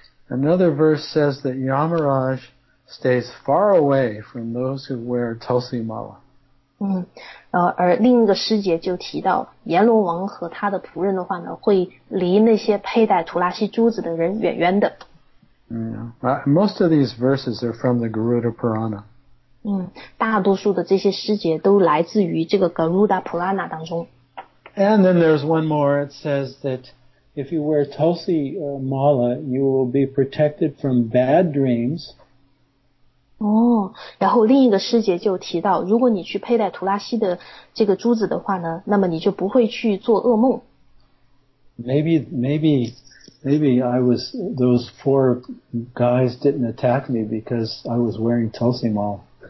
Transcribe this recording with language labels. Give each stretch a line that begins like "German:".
English: Another verse says that Yamaraj stays far away from those who wear Tulsi mala.
Chinese: 而另一个师姐就提到阎罗王和他的仆人的话呢会离那些佩戴图拉西珠子的人远远的。
English: Most of these verses are from the Garuda Purana.
Chinese: 大多数的这些师节都来自于这个 Garuda Purana 当中。
English: And then there's one more. It says that if you wear Tulsi Mala, you will be protected from bad dreams.
Chinese: 然后另一个师节就提到，如果你去佩戴图拉西的这个珠子的话呢，那么你就不会去做噩梦。
English: Maybe I was, those four guys didn't attack me because I was wearing Tulsi Mala.